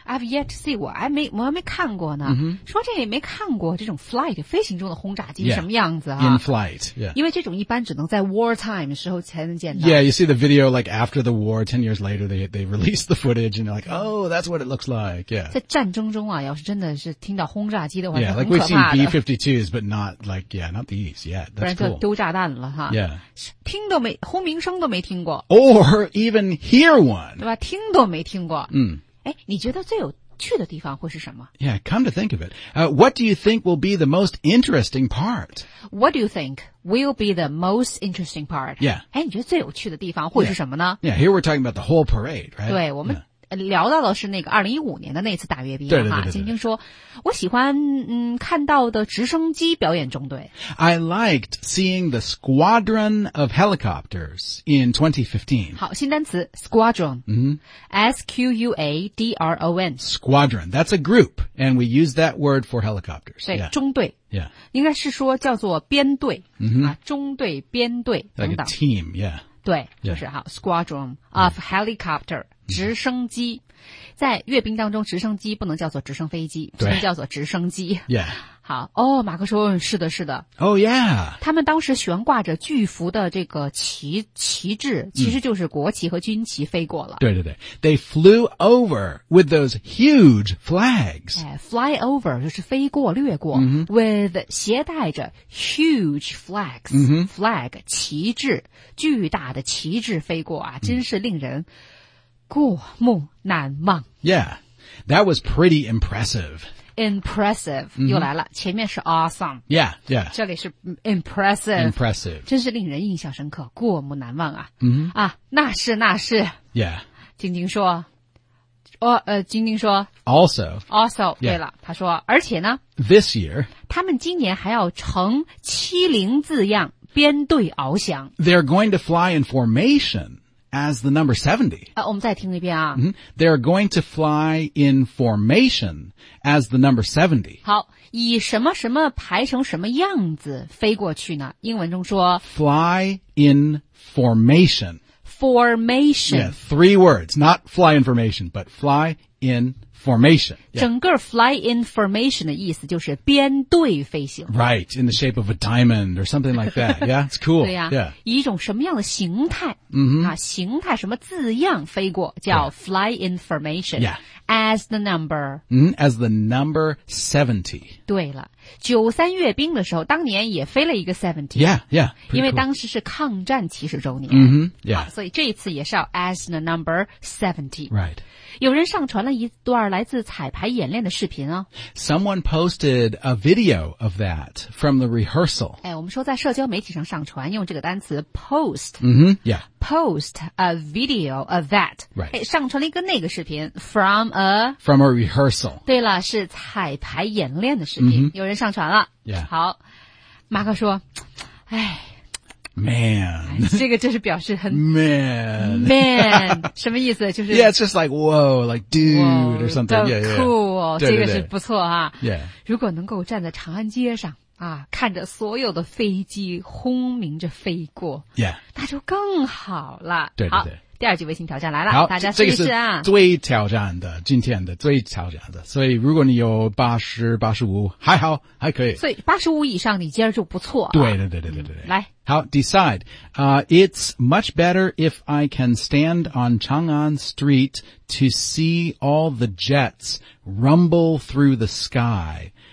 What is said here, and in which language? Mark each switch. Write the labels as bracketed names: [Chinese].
[English] I have yet to see. [Chinese] 我还没看过呢、 [English] mm-hmm. [Chinese] 说这也没看过这种 flight, 飞行中的轰炸机、 [English] yeah. [Chinese] 什么样子啊 [English] In flight.、Yeah. [Chinese] 因为这种一般只能在 wartime 时候才能见到。 [English] Yeah, you see the video like after the war, 10 years later, they release the footage and they're like, oh, that's what it looks like. Yeah. [Chinese] 在战争中啊要是真的是听到轰炸机的话 [English] yeah, [Chinese] 是很可怕的。 [English] Yeah, like we've seen B-52s, but not like, yeah, not these yet. That's cool. [Chinese] 不然就丢炸弹了哈。 [English] Yeah. [Chinese] 听都没轰鸣声都没听过。 [English] Or even hear one. [Chinese] 对吧听都没听过。嗯。诶你觉得最有去的地方会是什么 [English] Yeah, come to think of it.、What do you think will be the most interesting part? What do you think will be the most interesting part? Yeah. [Chinese] 诶你觉得最有趣的地方会是什么呢 [English] yeah. yeah, here we're talking about the whole parade, right? [Chinese] 对我们、yeah. 聊到的是那个2015年的那次大阅兵哈，晶晶说，我喜欢看到的直升机表演中队。 [English] I liked seeing the squadron of helicopters in 2015. [Chinese] 好，新单词 squadron,、 [English] mm-hmm. S-Q-U-A-D-R-O-N. Squadron, that's a group, and we use that word for helicopters. [Chinese] 对、 [English] yeah. [Chinese] 中队。 [English] Yeah. [Chinese] 应该是说叫做编队、 [English] mm-hmm. [Chinese] 啊、中队编队等等。 [English] Like a team, yeah. [Chinese] 对就是好 [English] squadron of helicopter、 [Chinese] 嗯、直升机在阅兵当中直升机不能叫做直升飞机只能叫做直升机、 [English] yeah. [Chinese] 好哦马克说是的是的 [English] oh yeah [Chinese] 他们当时悬挂着巨幅的这个旗帜其实就是国旗和军旗飞过了 [English] 对对对 they flew over with those huge flags、 [Chinese] 哎、fly over 就是飞过掠过、 [English] mm-hmm. with [Chinese] 携带着 [English] huge flags、 mm-hmm. [Chinese] flag 旗帜巨大的旗帜飞过啊真是令人、mm-hmm. 过目难忘 [English] Yeah, that was pretty impressive. [Chinese] Impressive,、mm-hmm. 又来了前面是 awesome. [English] Yeah, yeah. [Chinese] 这里是 impressive. [English] Impressive. [Chinese] 真是令人印象深刻过目难忘啊、 [English] mm-hmm. [Chinese] 啊，那是那是 [English] Yeah. [Chinese] 晶晶说、晶晶说 [English] Also. [Chinese] Also,、yeah. 对了他说而且呢 [English] This year. [Chinese] 他们今年还要乘七零字样编队翱翔 [English] They're going to fly in formation. As the number 70. [Chinese] 我们再听一遍啊。 [English] Mm-hmm. They're going to fly in formation as the number 70. [Chinese] 好以什么什么排成什么样子飞过去呢英文中说 [English] Fly in formation. Formation. Yeah, three words. Not fly in formation, but fly in formation.、Yeah. [Chinese] 整个 fly in formation 的意思就是编队飞行。 [English] Right, in the shape of a diamond or something like that. Yeah, it's cool. [Chinese] 对呀、 [English] 啊 yeah. [Chinese] 以一种什么样的形态、 [English] mm-hmm. [Chinese] 啊、形态什么字样飞过叫 [English] fly in formation. Yeah. As the number.、 Mm-hmm, as the number 70. [Chinese] 对了。九三阅兵的时候当年也飞了一个 70. [English] Yeah, yeah. [Chinese] 因为当时是抗战七十周年。 [English] 嗯、mm-hmm, yeah. [Chinese] 所以这一次也是要 [English] as the number 70. Right. [Chinese] 有人上传了一段来自彩排演练的视频啊。 [English] Someone posted a video of that from the rehearsal. [Chinese] 哎我们说在社交媒体上上传用这个单词 post. [English] 嗯、mm-hmm, yeah. Post a video of that. Right. [Chinese] 哎上传了一个那个视频 from a... [English] From a rehearsal. [Chinese] 对了是彩排演练的视频。 [English] Mm-hmm. [Chinese] 人上传了、 [English] yeah. [Chinese] 好马克说哎 [English] Man [Chinese] 这个真是表示很 [English] Man [Chinese] 什么意思就是 [English] Yeah it's just like Whoa like dude whoa, or something yeah, yeah. [Chinese] Cool 这个是不错啊 [English] Yeah [Chinese] 如果能够站在长安街上啊，看着所有的飞机轰鸣着飞过 [English] Yeah [Chinese] 那就更好了对对对第二句微信挑战来了好大家试一试啊。这个、是最挑战的今天的最挑战的。所以如果你有 80,85, 还好还可以。所以85以上你今儿就不错、啊。对对对对对对。来。 [English] 好 ,decide. It's much better if I can stand on Chang'an Street to see all the jets rumble through the sky.